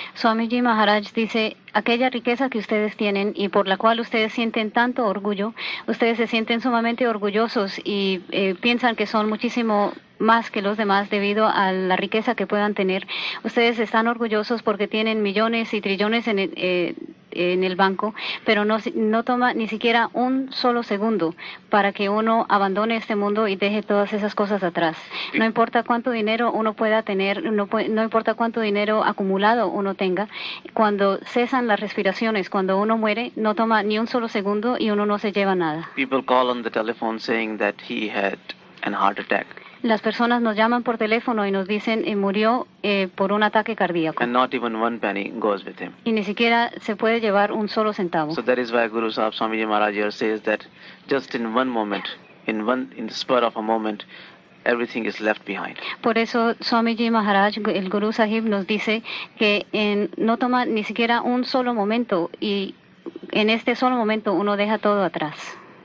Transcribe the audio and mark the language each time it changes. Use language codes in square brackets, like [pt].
[es] swami ji maharaj dice aquella riqueza que ustedes tienen y por la cual ustedes sienten tanto orgullo ustedes se sienten sumamente orgullosos y piensan que son muchísimo más que los demás debido a la riqueza que puedan tener ustedes están orgullosos porque tienen millones y trillones en el banco pero no toma ni siquiera un solo segundo para que uno abandone este mundo y deje todas esas cosas atrás no importa cuánto dinero uno pueda tener no importa cuánto dinero acumulado uno tenga cuando cesan las respiraciones cuando uno muere no toma ni un solo segundo y uno no se lleva nada [en] people call on the telephone saying that he had and heart attack. [es] Las personas nos llaman por teléfono y nos dicen murió por un ataque cardíaco. [en] And not even one penny goes with him. [es] Y ni siquiera se puede llevar un solo centavo. [en] So that is why Guru Sahib Swamiji Maharaj here says that just in one moment, in the spur of a moment, everything is left behind. [es] Por eso Swamiji Maharaj, el Guru Sahib, nos dice que no toma ni siquiera un solo momento y en este solo momento uno deja todo atrás.